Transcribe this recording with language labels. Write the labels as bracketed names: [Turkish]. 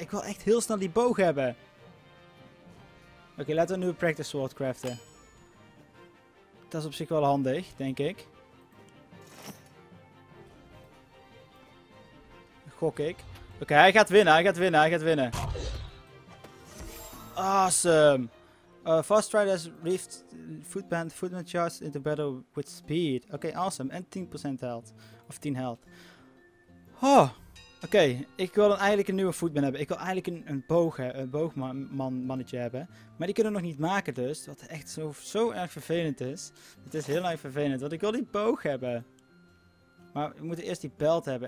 [Dutch] Ik wil echt heel snel die boog hebben. Oké, laten we een nieuwe practice sword craften. Dat is op zich wel handig, denk ik. Gok ik. Oké, hij gaat winnen, hij gaat winnen. Awesome. [English] Fast Riders Rift Footband Charge into Battle with Speed. [Dutch] Oké, awesome. En 10% health. Of 10 health. Oh. Oké, ik wil dan eigenlijk een nieuwe footband hebben. Ik wil eigenlijk een boogmannetje hebben. Maar die kunnen we nog niet maken dus. Wat echt zo erg vervelend is. Het is heel erg vervelend, want ik wil die boog hebben. Maar we moeten eerst die belt hebben.